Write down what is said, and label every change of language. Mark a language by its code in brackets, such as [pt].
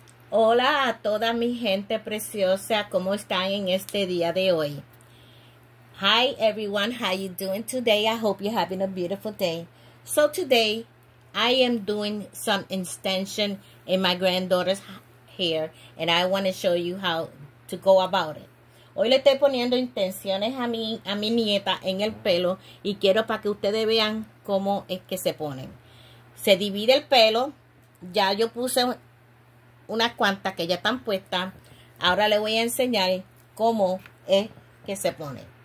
[es] Hola a toda mi gente preciosa, ¿cómo están en este día de hoy? [en] Hi everyone, how you doing today? I hope you're having a beautiful day. So today, I am doing some extension in my granddaughter's hair, and I want to show you how to go about it. [es] Hoy le estoy poniendo extensiones a mi nieta en el pelo y quiero para que ustedes vean cómo es que se ponen. Se divide el pelo, ya yo puse unas cuantas que ya están puestas. Ahora le voy a enseñar cómo es que se pone.